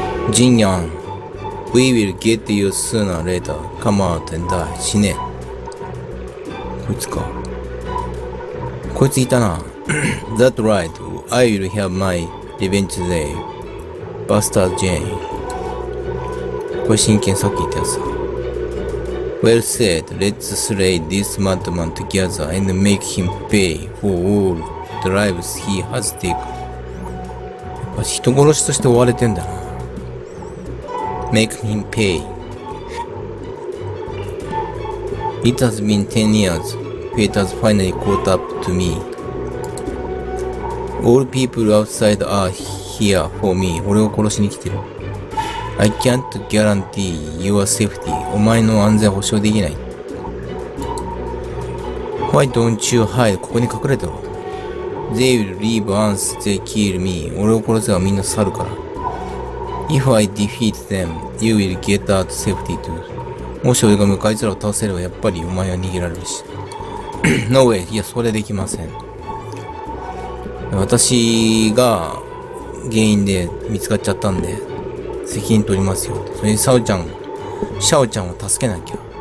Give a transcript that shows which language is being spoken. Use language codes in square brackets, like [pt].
[en] ジンヤン。We will get you sooner or later. Come out and die. [ja] 死ね。こいつか。こいついたな。 [en] That's right. I will have my revenge today. Buster Jane. [ja] これ真剣さっき言ったやつ。 [en] Well said. Let's slay this madman together and make him pay for all the lives he has taken. [ja] やっぱ人殺しとして追われてんだな。 [en] Make him pay. It has been 10 years. Fate has finally caught up to me. All people outside are here for me. [ja] 俺を殺しに来てる。 [en] I can't guarantee your safety. [ja] お前の安全保証できない。 [en] Why don't you hide? [ja] ここに隠れてろ。 [en] They will leave once they kill me. [ja] 俺を殺せばみんな去るから。 [en] If I defeat them, you will get out safety too. [ja] もし俺が向かい面を倒せればやっぱりお前は逃げられるし。 [en] No way. [ja] いや、それできません。私が原因で見つかっちゃったんで、責任取りますよ。それにシャオちゃんを助けなきゃ。